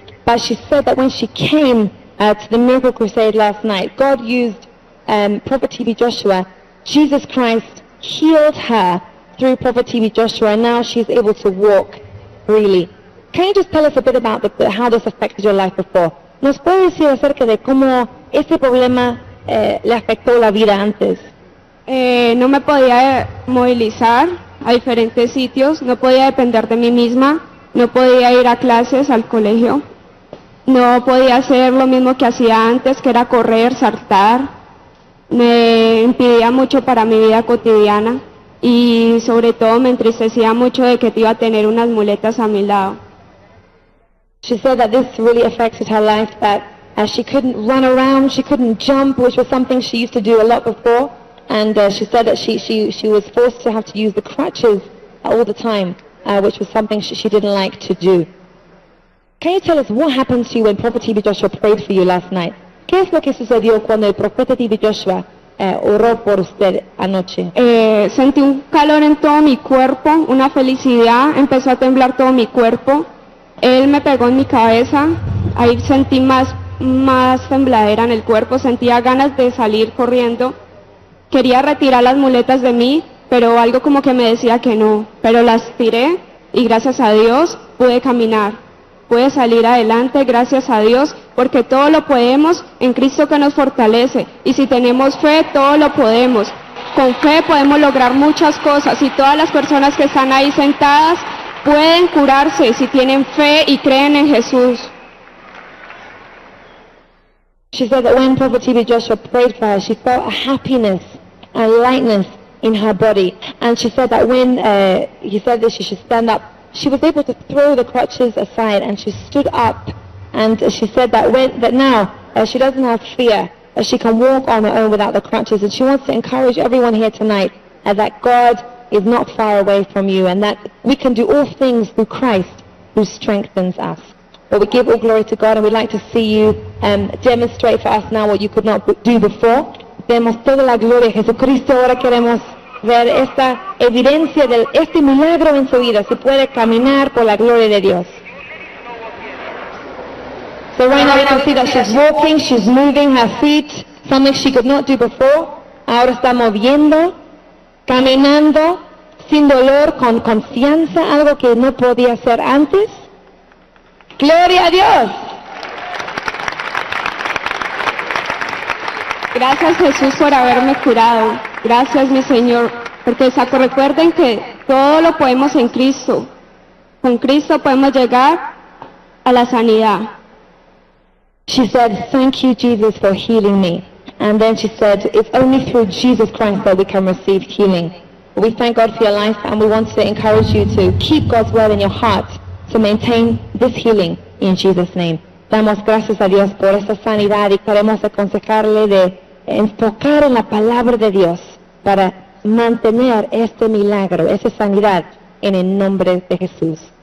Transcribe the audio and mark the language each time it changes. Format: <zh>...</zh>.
<en>But she said that when she came to the Miracle Crusade last night, God used Prophet T.B. Joshua. Jesus Christ healed her through Prophet T.B. Joshua, and now she's able to walk freely. Can you just tell us a bit about how this affected your life before?</en> <es>¿Nos puede decir acerca de cómo este problema le afectó la vida antes? No me podía movilizar a diferentes sitios, no podía depender de mí misma, no podía ir a clases, al colegio, no podía hacer lo mismo que hacía antes, que era correr, saltar, me impedía mucho para mi vida cotidiana y sobre todo me entristecía mucho de que iba a tener unas muletas a mi lado.</es> <en>She said that this really affected her life, that she couldn't run around, she couldn't jump, which was something she used to do a lot before. And she said that she was forced to have to use the crutches all the time, which was something she didn't like to do. Can you tell us what happened to you when Prophet T.B. Joshua prayed for you last night?</en> <es>¿Qué es lo que sucedió cuando el profeta T.B. Joshua oró por usted anoche? Sentí un calor en todo mi cuerpo, una felicidad, empezó a temblar todo mi cuerpo. Él me pegó en mi cabeza, ahí sentí más tembladera en el cuerpo, sentía ganas de salir corriendo. Quería retirar las muletas de mí, pero algo como que me decía que no. Pero las tiré y gracias a Dios pude caminar. Pude salir adelante, gracias a Dios, porque todo lo podemos en Cristo que nos fortalece. Y si tenemos fe, todo lo podemos. Con fe podemos lograr muchas cosas y todas las personas que están ahí sentadas pueden curarse si tienen fe y creen en Jesús.</es> <en>She said that when Prophet TB Joshua prayed for her, she felt a happiness, a lightness in her body. And she said that when he said that she should stand up, she was able to throw the crutches aside and she stood up. And she said that now she doesn't have fear, that she can walk on her own without the crutches. And she wants to encourage everyone here tonight that God is not far away from you and that we can do all things through Christ who strengthens us. But we give all glory to God and we'd like to see you demonstrate for us now what you could not do before.</en> <es>Demos toda la gloria a Jesucristo. Ahora queremos ver esta evidencia de este milagro en su vida. Si puede caminar por la gloria de Dios.</es> <en>So right now we can see that she's walking, she's moving her feet, something she could not do before.</en> <es>Ahora está moviendo, caminando, sin dolor, con confianza, algo que no podía hacer antes. ¡Gloria a Dios! Gracias Jesús por haberme curado. Gracias mi Señor, porque saco, recuerden que todo lo podemos en Cristo. Con Cristo podemos llegar a la sanidad.</es> <en>She said, thank you, Jesus, for healing me. And then she said, it's only through Jesus Christ that we can receive healing. We thank God for your life, and we want to encourage you to keep God's word in your heart to maintain this healing in Jesus' name.</en> <es>Damos gracias a Dios por esta sanidad y queremos aconsejarle de enfocar en la palabra de Dios para mantener este milagro, esta sanidad, en el nombre de Jesús.</es>